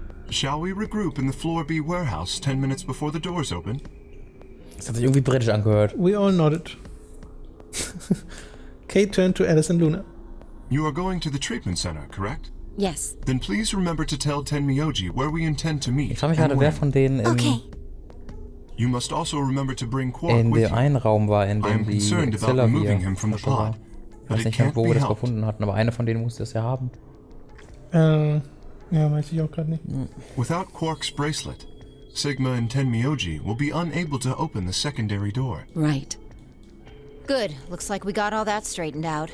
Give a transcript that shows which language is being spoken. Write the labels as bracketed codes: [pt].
[en] Shall we regroup in the floor B warehouse 10 minutes before the doors open? [de] Das hat sich irgendwie britisch angehört. [en] We all nodded. Kay turned to Alice and Luna. You are going to the treatment center, correct? Yes. Then please remember to tell Tenmyoji where we intend to meet. [de] Ich frage mich gerade, wer von denen in... [en] Okay. You must also remember to bring Quark [de] in der einen Raum war, in dem die Zeller hier. Ich weiß nicht, wo wir das gefunden hatten, aber einer von denen musste es ja haben. Ja, weiß ich auch gerade nicht. [en] Without Quark's bracelet, Sigma and Tenmyoji will be unable to open the secondary door. Right. Good. Looks like we got all that straightened out.